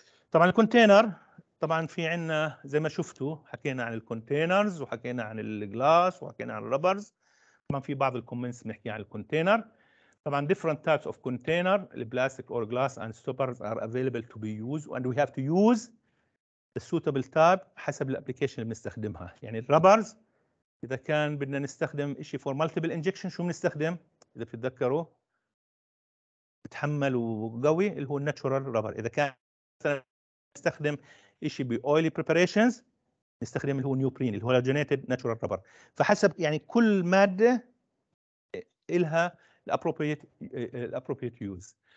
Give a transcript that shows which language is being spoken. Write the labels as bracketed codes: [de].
[ar] طبعا الكونتينر، طبعا في عندنا زي ما شفتوا حكينا عن الكونتينرز وحكينا عن الجلاس وحكينا عن الربرز، طبعا في بعض الكومنتس بنحكي عن الكونتينر. [en] طبعا different types of container, plastic or glass and stoppers are available to be used and we have to use the suitable type حسب الابليكيشن اللي بنستخدمها. يعني الربرز اذا كان بدنا نستخدم شيء for multiple injection شو بنستخدم؟ [ar] اذا بتتذكروا بتحمل وقوي اللي هو الناتشورال رابر. اذا كان نستخدم شيء باويلي بريبريشنز نستخدم اللي هو نيوبرين اللي هو الجينيتد ناتشورال رابر. فحسب يعني كل ماده لها الابروبريت يوز.